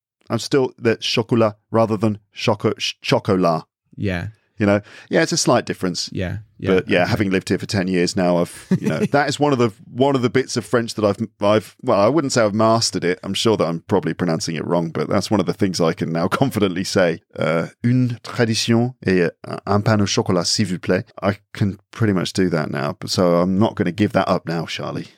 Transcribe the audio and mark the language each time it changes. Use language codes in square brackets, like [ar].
[en] I'm still the chocolat rather than chocolat. Yeah. You know, yeah, it's a slight difference. Yeah. Yeah, but yeah, okay. Having lived here for 10 years now, I've, you know, that is one of the bits of French that I've, I wouldn't say I've mastered it. I'm sure that I'm probably pronouncing it wrong, but that's one of the things I can now confidently say. [fr] Une tradition et un pain au chocolat, s'il vous plaît. [en] I can pretty much do that now, but so I'm not going to give that up now, Charlie.